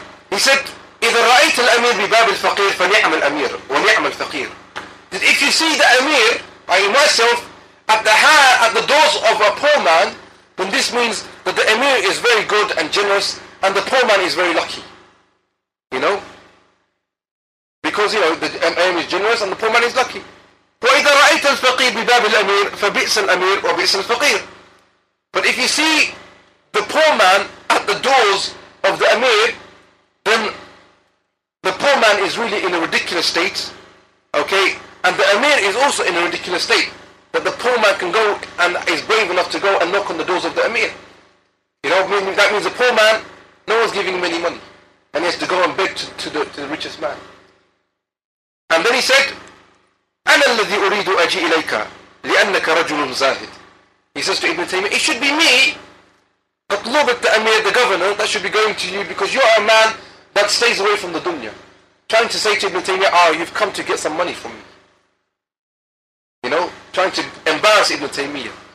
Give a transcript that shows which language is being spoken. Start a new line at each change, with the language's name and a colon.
English: He said,
Arabic: إِذَا رَأَيْتَ الْأَمِيرِ بِبَابِ الْفَقِيرِ فَنِعْمَ الْأَمِيرِ وَنِعْمَ الْفَقِيرِ.
English: If you see the Amir, I myself, at the doors of a poor man, then this means that the Amir is very good and generous, and the poor man is very lucky. You know? Because, you know, the Amir is generous and the poor man is lucky.
Arabic: وَإِذَا رَأَيْتَ الْفَقِيرِ بِبَابِ الْأَمِيرِ فَبِئْسَ الْأَمِيرِ وَبِئْسَ الْفَقِيرِ.
English: But if you see the poor man at the doors of the Amir, then the poor man is really in a ridiculous state, okay? And the Amir is also in a ridiculous state, that the poor man can go and is brave enough to go and knock on the doors of the Amir. You know, meaning that means the poor man, no one's giving him any money, and he has to go and beg to the richest man. And then he said,
Arabic: أَنَا الَّذِي أُرِيدُ أَجِي إِلَيْكَ لِأَنَّكَ رَجُلٌ زَاهِدٌ.
English: He says to Ibn Taymiyyah, it should be me, Qatlubek the Amir, the governor, that should be going to you, because you are a man that stays away from the dunya. Trying to say to Ibn Taymiyyah, you've come to get some money from me. You know, trying to embarrass Ibn Taymiyyah.